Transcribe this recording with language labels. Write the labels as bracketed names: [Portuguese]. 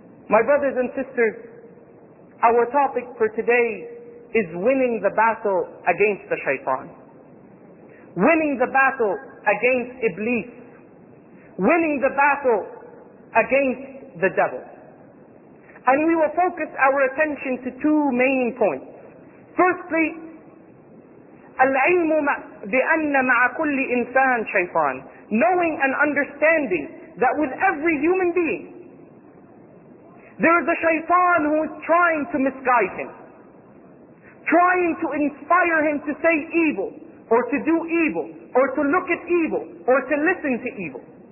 [English] My brothers and sisters, our topic for today is winning the battle against the shaitan. Winning the battle against Iblis. Winning the battle against the devil. And we will focus our attention to two main points. Firstly, [Arabic] العلم بأن مع كل إنسان شيطان. [English] Knowing and understanding that with every human being there is a shaitan who is trying to misguide him, trying to inspire him to say evil or to do evil or to look at evil or to listen to evil.